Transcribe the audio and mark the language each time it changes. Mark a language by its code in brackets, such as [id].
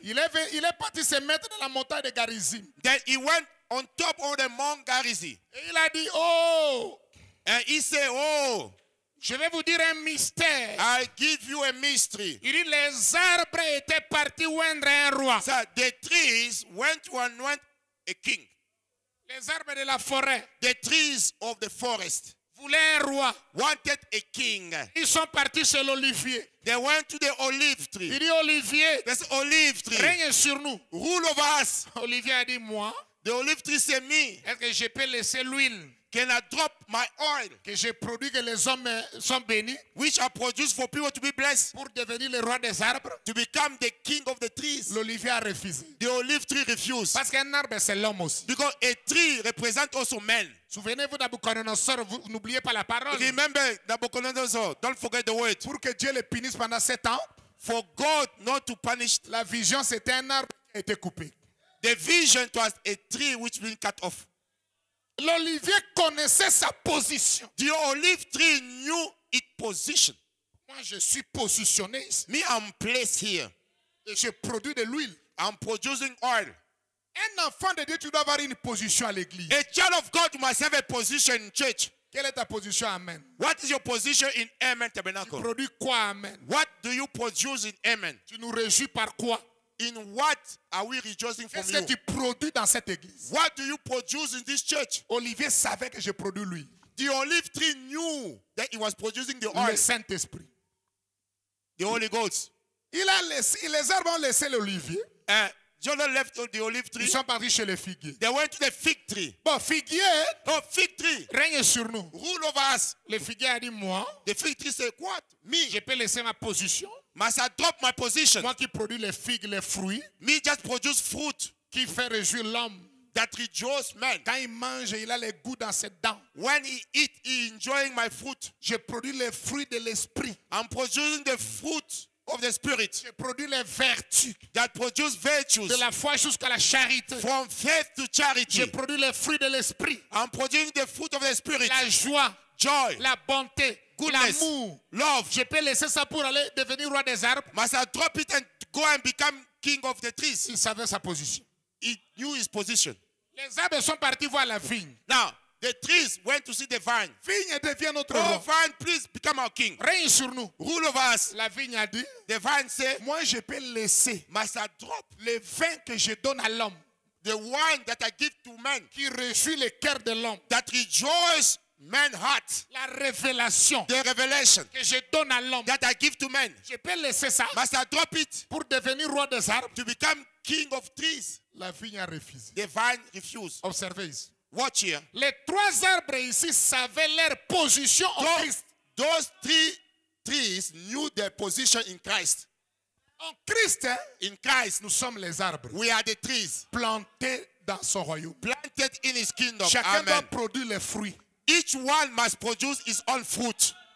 [fr] il est parti se mettre dans la montagne de Garizim. [en] Then he went on top of the Mount Garizim. [fr] Et il a dit, oh. [en] And he said, oh. [fr] Je vais vous dire un mystère. [en] I give you a mystery. [fr] Il dit, les arbres étaient partis oindre un roi. [en] So the trees went to anoint a king. [fr] Les arbres de la forêt. [en] The trees of the forest. [fr] Voulaient un roi. [en] Wanted a king. [fr] Ils sont partis chez l'olivier. [en] They went to the olive tree. [fr] Il dit olivier. [en] This olive tree. [fr] Règne sur nous. [en] Rule over us. [fr] Olivier a dit moi. [en] The olive tree said me. [fr] Est-ce que je peux laisser l'huile? [en] Can I drop my oil? [fr] Que je produis que les hommes sont bénis. [en] Which I produce for people to be blessed. [fr] Pour devenir le roi des arbres. [en] To become the king of the trees. [fr] L'olivier a refusé. [en] The olive tree refused. [fr] Parce qu'un arbre c'est l'homme aussi. [en] Because a tree represents also men. [fr] Souvenez-vous d'Abouconosor, vous n'oubliez pas la parole. [en] Remember d'Abouconosor, don't forget the word. [fr] Pour que Dieu le punisse pendant 7 ans. [en] For God not to punish. [fr] La vision c'était un arbre qui a été coupé. [en] The vision was a tree which been cut off. [fr] L'olivier connaissait sa position. [en] The olive tree knew its position. [fr] Moi, je suis positionné ici. [en] Me, I'm placed here. [fr] Et je produis de l'huile. [en] I'm producing oil. [fr] Un enfant de Dieu, tu dois avoir une position à l'église. [en] A child of God must have a position in church. [fr] Quelle est ta position, amen? [en] What is your position in Amen Tabernacle? [fr] Tu produis quoi, amen? [en] What do you produce in Amen? [fr] Tu nous réjouis par quoi? [en] In what are we rejoicing from you? [fr] Qu'est-ce que tu produis dans cette église? [en] What do you produce in this church? [fr] Olivier savait que je produis lui. [en] The olive tree knew that he was producing the oil. [fr] Le Saint-Esprit. [en] The Holy Ghost. [fr] Les arbres ont laissé l'olivier. [en] John left the olive tree. [fr] Ils sont partis chez les figuiers. [en] They went to the fig tree. [fr] Bon, figuier. [en] Oh, fig tree. [fr] Règne sur nous. [en] Rule over us. [fr] Le figuier a dit moi. [en] The fig tree said what? Me. [fr] Je peux laisser ma position. [en] Must I drop my position? [fr] Moi qui produis les figues, les fruits. [en] Me just produce fruit. [fr] Qui fait réjouir l'homme. [en] That rejoice man. [fr] Quand il mange, il a le goût dans ses dents. [en] When he eat, he enjoying my fruit. [fr] Je produis les fruits de l'esprit. [en] I'm producing the fruit of the spirit. [fr] Je produis les vertus. [en] That produce virtues. [fr] De la foi jusqu'à la charité. [en] From faith to charity. [fr] Je produis les fruits de l'esprit. [en] I'm producing the fruit of the spirit. [fr] La joie. [en] Joy. [fr] La bonté. [en] Goodness, [fr] l'amour, [en] love. [fr] Je peux laisser ça pour aller devenir roi des arbres. [en] Must I drop it and go and become king of the trees? [fr] Il savait sa position. [en] He knew his position. [fr] Les arbres sont partis voir la vigne. [en] Now the trees went to see the vine. [fr] Vigne devient notre roi. [en] Oh vine, please become our king. [fr] Règne sur nous. [en] Rule over us. [fr] La vigne a dit. [en] The vine said. [fr] Moi, je peux laisser. [en] Must I drop [fr] le vin que je donne à l'homme? [en] The wine that I give to man. [fr] Qui réjouit le cœur de l'homme. [en] That rejoices. Man heart, [fr] la révélation, [en] the revelation [fr] que je donne à l'homme, [en] that I give to man, [fr] je peux laisser ça, [en] must I drop it, [fr] pour devenir roi des arbres, [en] to become king of trees, [fr] la vigne a refusé, [en] the vine refused, [fr] observez, [en] watch here, [fr] les trois arbres ici savaient leur position en Christ, [en] those three trees knew their position in Christ, [fr] en Christ, [en] in Christ, [fr] nous sommes les arbres, [en] we are the trees, [fr] plantés dans son royaume, [en] planted in his kingdom, [fr] chacun [en] amen, [fr] doit produire les fruits. [en] Each one must produce his own fruit.